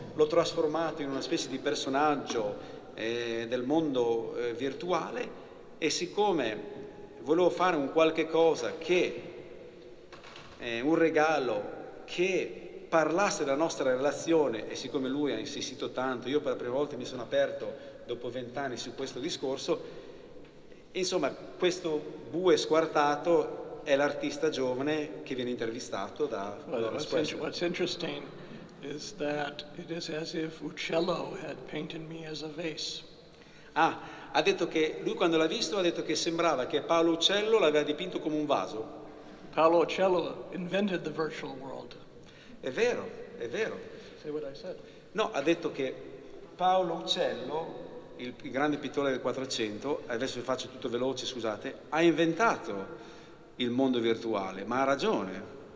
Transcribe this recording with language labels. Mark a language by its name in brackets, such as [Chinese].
[Italian] L'ho trasformato in una specie di personaggio del mondo virtuale, e siccome volevo fare un qualche cosa che un regalo che parlasse della nostra relazione, e siccome lui ha insistito tanto, io per la prima volta mi sono aperto dopo 20 anni su questo discorso, insomma, questo bue squartato è l'artista giovane che viene intervistato da Lawrence Weschler. [English] What's interesting is that it is as if Uccello had painted me as a vase. [Italian] Ah, ha detto che lui, quando l'ha visto, ha detto che sembrava che Paolo Uccello l'aveva dipinto come un vaso. [English] Paolo Uccello invented the virtual world. [Italian] È vero, è vero. [English] Say what I said. [Italian] No, ha detto che Paolo Uccello, il grande pittore del 400, adesso faccio tutto veloce, scusate, ha inventato il mondo virtuale, ma ha ragione.